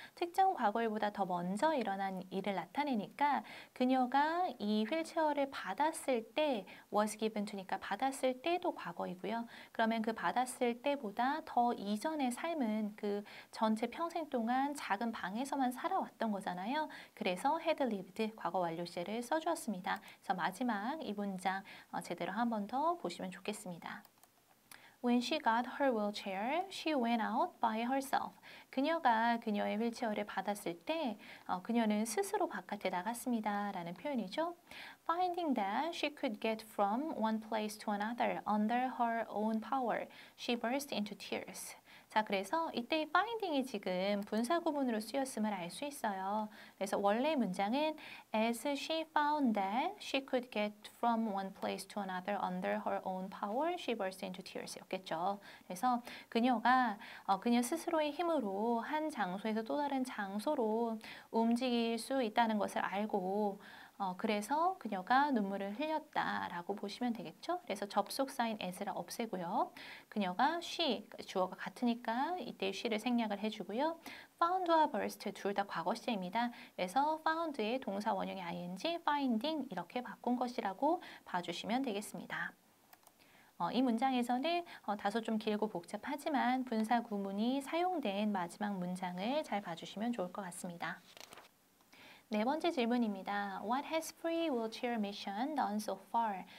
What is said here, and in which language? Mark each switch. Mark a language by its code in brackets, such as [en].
[ko] 특정 과거일보다 더 먼저 일어난 일을 나타내니까 그녀가 이 휠체어를 받았을 때 [en] was given to [ko] 니까 받았을 때도 과거이고요. 그러면 그 받았을 때보다 더 이전의 삶은 그 전체 평생 동안 작은 방에서만 살아왔던 거잖아요. 그래서 [en] had lived [ko] 과거 완료 시제를 써주었습니다. 그래서 마지막 이 문장 제대로 한번더 보시면 좋겠습니다. [en] When she got her wheelchair, she went out by herself. [ko] 그녀가 그녀의 휠체어를 받았을 때 그녀는 스스로 바깥에 나갔습니다라는 표현이죠. [en] Finding that she could get from one place to another under her own power, she burst into tears. [ko] 자, 그래서 이때 finding이 지금 분사구문으로 쓰였음을 알수 있어요. 그래서 원래 문장은 [en] as she found that she could get from one place to another under her own power, she burst into tears 였겠죠. [ko] 그래서 그녀가 그녀 스스로의 힘으로 한 장소에서 또 다른 장소로 움직일 수 있다는 것을 알고 그래서 그녀가 눈물을 흘렸다라고 보시면 되겠죠. 그래서 접속사인 as를 없애고요. 그녀가 she, 주어가 같으니까 이때 she를 생략을 해주고요. found와 burst 둘다 과거시제입니다. 그래서 found의 동사 원형이 ing, finding 이렇게 바꾼 것이라고 봐주시면 되겠습니다. 이 문장에서는 다소 좀 길고 복잡하지만 분사구문이 사용된 마지막 문장을 잘 봐주시면 좋을 것 같습니다. 네 번째 질문입니다. [en] What has free wheelchair mission done so far?